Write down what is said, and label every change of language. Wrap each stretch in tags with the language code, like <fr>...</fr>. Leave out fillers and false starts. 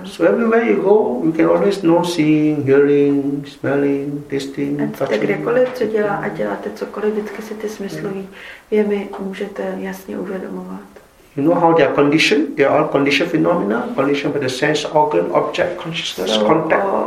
<en>So everywhere you go, you can always know, seeing, hearing, smelling, tasting, touching.</en> <cs>Tak kdekoliv, co dělá a děláte cokoliv, vždycky si ty smyslový věmy můžete jasně uvědomovat.</cs> <en>You know how they are conditioned? They are all conditioned phenomena, conditioned by the sense, organ, object, consciousness, contact.</en>